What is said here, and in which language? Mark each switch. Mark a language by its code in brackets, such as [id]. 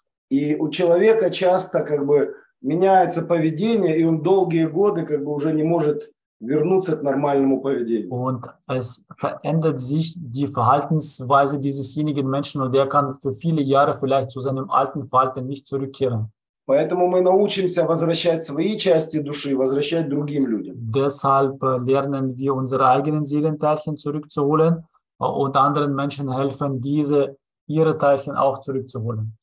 [ru] И у человека часто как бы меняется поведение, и он долгие годы как бы уже не может вернуться к нормальному поведению. [de] Und es verändert sich die Verhaltensweise diesesjenigen Menschen und der kann für viele Jahre vielleicht zu seinem alten Verhalten nicht zurückkehren. [ru] Поэтому мы научимся возвращать свои части души, возвращать другим людям. [de] Deshalb lernen wir unsere eigenen Seelenteilchen zurückzuholen und anderen Menschen helfen, diese ihre Teilchen auch zurückzuholen.